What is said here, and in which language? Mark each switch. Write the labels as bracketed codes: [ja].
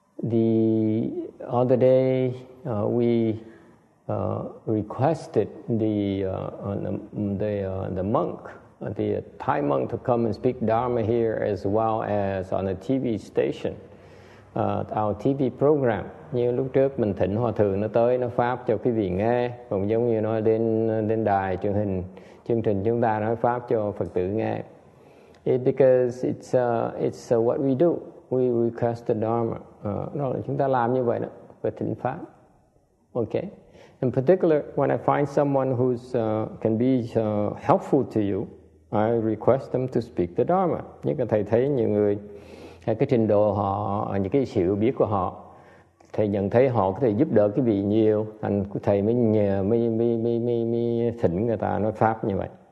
[en] The other day we requested the monk, the Thai monk, to come and speak Dharma here as well as on a TV station, our TV program. [vi] Như lúc trước mình thỉnh hòa thượng nó tới nó pháp cho quý vị nghe, cũng giống như nó lên đài truyền hình chương trình chúng ta nói pháp cho Phật tử nghe. [en] It's what we do. We request the Dharma. [vi] Đó là chúng ta làm như vậy đó, về thỉnh pháp. [en] Okay. In particular, when I find someone who's can be helpful to you, I request them to speak the Dharma. [vi] Nhưng mà thầy thấy nhiều người, cái trình độ họ, những cái sự hiểu biết của họ, Thầy nhận thấy họ có thể giúp đỡ quý vị nhiều, thành thầy mới nhờ mới thỉnh người ta nói pháp như vậy.